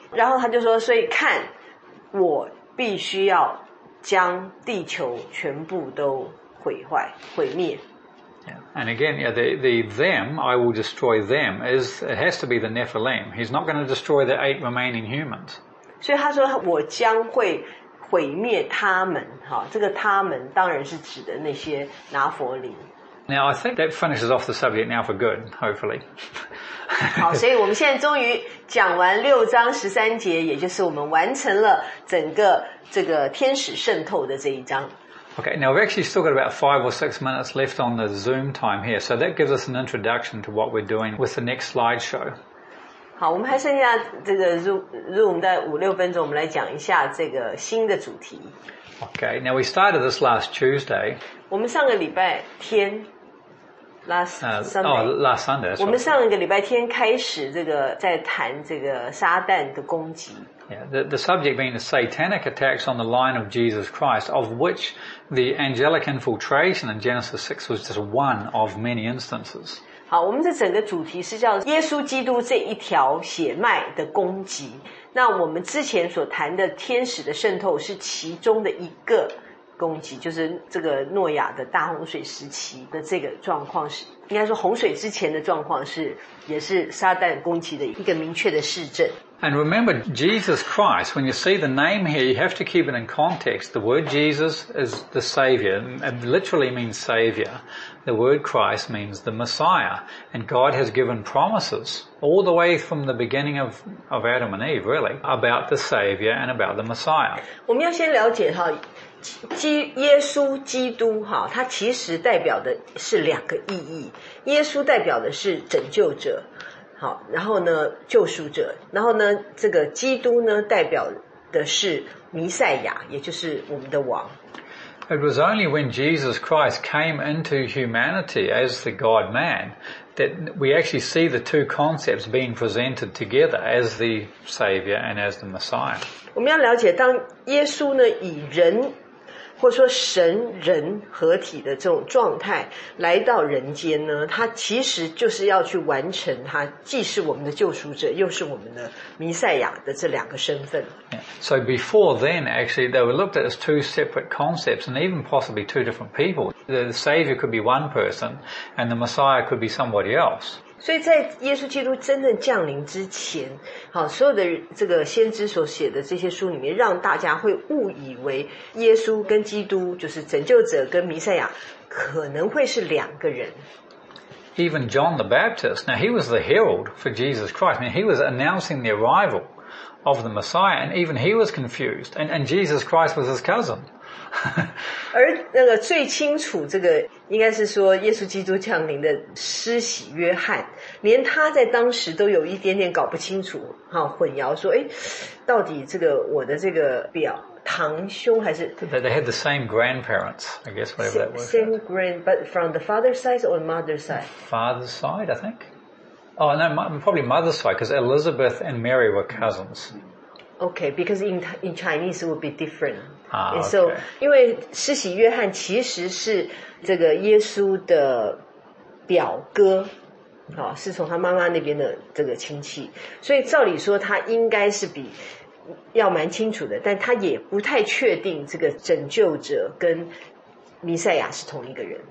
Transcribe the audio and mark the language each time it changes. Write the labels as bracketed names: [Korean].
[Chinese] 然后他就说，所以看，我必须要将地球全部都毁坏，毁灭。 [English] Yeah. And again, yeah, the them, I will destroy them, is, it has to be the Nephilim. He's not going to destroy the 8 remaining humans. [Chinese] 所以他说我将会毁灭他们，这个他们当然是指的那些拿佛林。 [English] Now, I think that finishes off the subject now for good, hopefully. [Chinese] 好，所以我们现在终于讲完六章十三节，也就是我们完成了整个这个天使渗透的这一章。 [English] Okay, now we've actually still got about 5 or 6 minutes left on the Zoom time here, so that gives us an introduction to what we're doing with the next slideshow. [Chinese] 好，我们还剩下这个 Zoom 在五六分钟，我们来讲一下这个新的主题。 [English] Okay, now we started this last Tuesday. [Chinese] 我们上个礼拜天 [English] last Sunday. [Chinese] 我们上一个礼拜天开始这个在谈这个撒旦的攻击。 [English] Yeah, the subject being the satanic attacks on the line of Jesus Christ, of which the angelic infiltration in Genesis 6 was just one of many instances. [Chinese] 好，我们的整个主题是叫耶稣基督这一条血脉的攻击。那我们之前所谈的天使的渗透是其中的一个攻击，就是这个诺亚的大洪水时期的这个状况，是应该说洪水之前的状况，是也是撒旦攻击的一个明确的示证。 [English] And remember, Jesus Christ, when you see the name here, you have to keep it in context. The word Jesus is the Savior. It literally means Savior. The word Christ means the Messiah. And God has given promises all the way from the beginning of Adam and Eve, really, about the Savior and about the Messiah. [Chinese] 我们要先了解哈，耶稣基督哈，它其实代表的是两个意义。耶稣代表的是拯救者。好，然后呢，救赎者，然后呢，这个基督呢，代表的是弥赛亚，也就是我们的王。 [English] It was only when Jesus Christ came into humanity as the God-Man that we actually see the two concepts being presented together as the Savior and as the Messiah. [Chinese] 我们要了解，当耶稣呢以人或者说神人合体的这种状态来到人间呢，他其实就是要去完成他既是我们的救赎者又是我们的弥赛亚的这两个身份。 [English] Yeah. So before then, actually, they were looked at as two separate concepts and even possibly two different people. The Savior could be one person and the Messiah could be somebody else. [Chinese] 所以在耶稣基督真正降临之前，好，所有的这个先知所写的这些书里面，让大家会误以为耶稣跟基督，就是拯救者跟弥赛亚，可能会是两个人。 [English] Even John the Baptist, now he was the herald for Jesus Christ. I mean, he was announcing the arrival of the Messiah, and even he was confused. And Jesus Christ was his cousin. [Chinese] 而那个最清楚这个应该是说耶稣基督降临的施洗约翰，连他在当时都有一点点搞不清楚，哈，混淆说，哎，到底这个我的这个表堂兄还是 [English] ？They had the same grandparents, I guess whatever that was. Same grand, but from the father's side or mother's side? Father's side, I think. Oh no, probably mother's side, because Elizabeth and Mary were cousins. Okay, because in Chinese it would be different. And [Chinese] so, 因为施洗约翰其实是这个耶稣的表哥，是从他妈妈那边的这个亲戚，所以照理说他应该是比要蛮清楚的，但他也不太确定这个拯救者跟弥赛亚是同一个人。